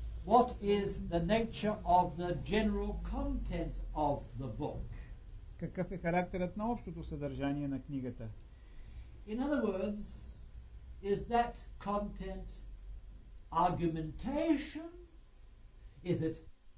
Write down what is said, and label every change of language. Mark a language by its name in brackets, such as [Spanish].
[English] What is the nature of the general content of the book? [Bulgarian] Какъв е характерът на общото съдържание на книгата? [English] In other words, is that content argumentation? Is it